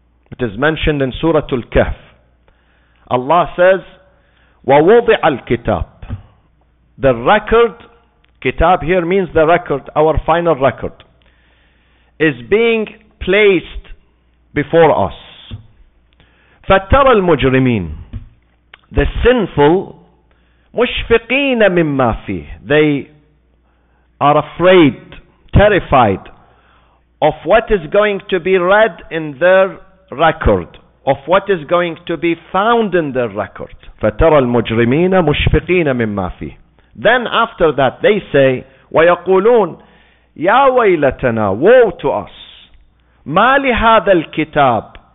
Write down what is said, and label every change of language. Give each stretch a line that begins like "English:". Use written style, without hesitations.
English: It is mentioned in Surah Al-Kahf. Allah says,
Arabic: وَوُضِعَ الْكِتَابِ.
English: The record, kitab here means the record, our final record, is being placed before us.
Arabic: فَتَّرَ الْمُجْرِمِينَ.
English: The sinful,
Arabic: مُشْفِقِينَ مِمَّا فِيهِ.
English: They are afraid, terrified of what is going to be read in their record, of what is going to be found in the record.
Arabic: فَتَرَى الْمُجْرِمِينَ مُشْفِقِينَ مِمَّا فِيهِ.
English: Then after that they say,
Arabic: وَيَقُولُونَ يَا وَيْلَتَنَا,
English: woe to us,
Arabic: مَا لِهَذَا الْكِتَابِ.